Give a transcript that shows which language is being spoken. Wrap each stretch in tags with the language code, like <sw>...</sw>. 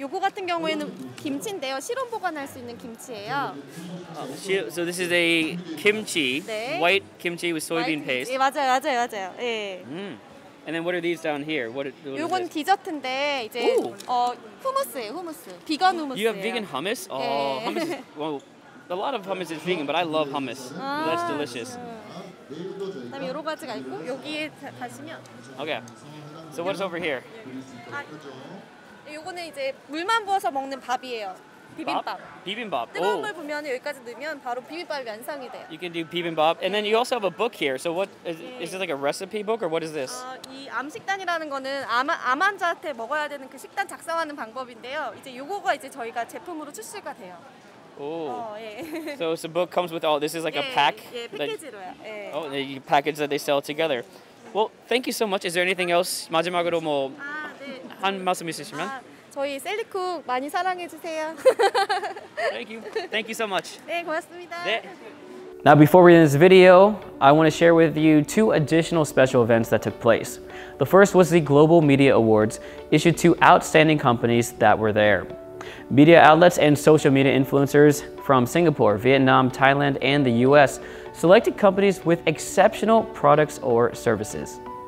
<ko>요거 같은 경우에는 김치인데요. 실온 보관할 수 있는 김치예요.</ko> <en>So this is a kimchi,</en> <ko>네.</ko> <en>white kimchi with soybean paste.</en> <ko>예, 맞아요. 예.</ko> <en>And then what are these down here? What?</en> <ko>요건 디저트인데 이제 후무스예요. 후무스. 비건 후무스.</ko> <en>You have vegan hummus? Oh,</en> <ko>네.</ko> <en>hummus. Is, well, A lot of hummus is vegan, but I love hummus. 아, That's delicious.</en> <ko>다음 여러 가지가 있고 여기에 가시면.</ko> <en>Okay. So what's over here?</en> <ko>아, 요거는 이제 물만 부어서 먹는 밥이에요. 비빔밥. 비빔밥. 뜨거운 물 부으면 여기까지 넣으면 바로 비빔밥이 완성이 돼요.</ko> <en>You can do 비빔밥. And then you also have a book here. So what is it like a recipe book or what is this?</en> <ko>이 암식단이라는 거는 암 환자한테 먹어야 되는 그 식단 작성하는 방법인데요. 이제 요거가 이제 저희가 제품으로 출시가 돼요.</ko> <en>Oh, so it's a book comes with all, this is like a pack? Yeah, package. Like, oh, the package that they sell together. Well, thank you so much. Is there anything else?</en> <ko>마지막으로 뭐, 한 말씀 있으시면? 저희 셀리쿡 많이 사랑해주세요.</ko> <en>Thank you. Thank you so much.</en> <ko>네, 고맙습니다. 네.</ko> <en>Now, before we end this video, I want to share with you two additional special events that took place. The first was the Global Media Awards issued to outstanding companies that were there. Media outlets and social media influencers from Singapore, Vietnam, Thailand, and the US selected companies with exceptional products or services.</en>